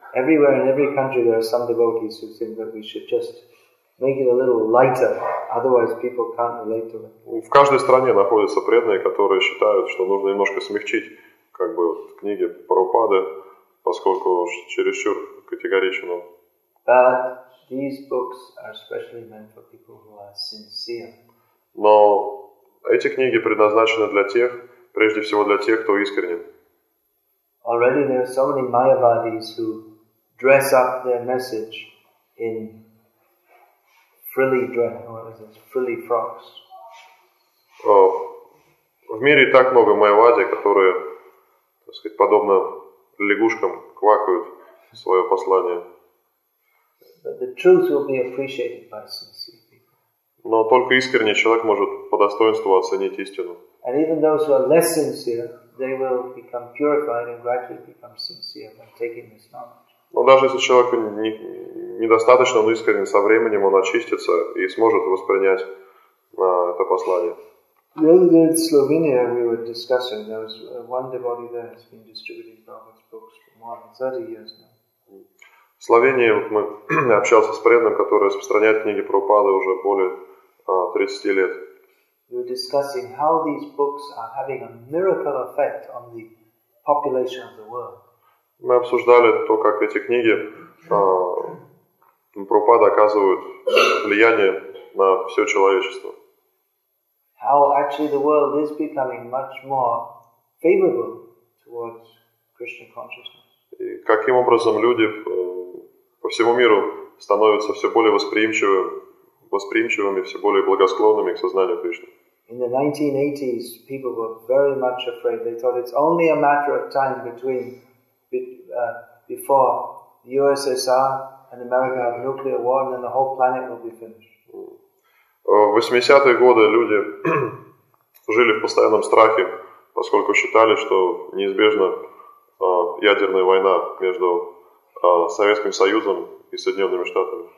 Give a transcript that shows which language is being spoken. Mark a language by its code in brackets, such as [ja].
[en] Everywhere in every country there are some devotees who think that we should just make it a little lighter, otherwise people can't relate to it. [ru] В каждой стране находятся преданные, которые считают, что нужно немножко смягчить, как бы, вот, книги Прабхупады, поскольку уж чересчур категоричен. [en] But these books are especially meant for people who are sincere. [ru] Но эти книги предназначены для тех, прежде всего для тех, кто искренен. [en] Already there are so many Mayavadis who dress up their message in frilly dress, what is it, frilly frocks. [ru] В мире так много Майавади, которые, так сказать, подобно лягушкам квакают свое послание. [en] But the truth will be appreciated by sincere people. [ru] Но только искренний человек может по достоинству оценить истину. [en] And even those who are less sincere, they will become purified and gradually become sincere by taking this knowledge. [ru] Но даже если человеку недостаточно, но искренне, со временем он очистится и сможет воспринять это послание. [en] The other day in Slovenia we were discussing, there was one devotee there has been distributing Prabhupada's books for more than 30 years now. [ru] В Словении вот мы общался с преданным, который распространяет книги Прабхупады уже более 30 лет. [en] We were discussing how these books are having a miracle effect on the population of the world. [ru] Мы обсуждали то, как эти книги Прабхупада оказывают влияние на все человечество. [en] How actually the world is becoming much more favorable towards Krishna consciousness. [ru] И каким образом люди по всему миру становятся все более восприимчивыми, все более благосклонными к сознанию Кришны. [en] In the 1980s, people were very much afraid. They thought it's only a matter of time between before the USSR and America have nuclear war, and then the whole planet will be finished. [ru] В 80-е годы люди жили в постоянном страхе, поскольку считали, что неизбежна ядерная война между Советским Союзом и Соединенными Штатами.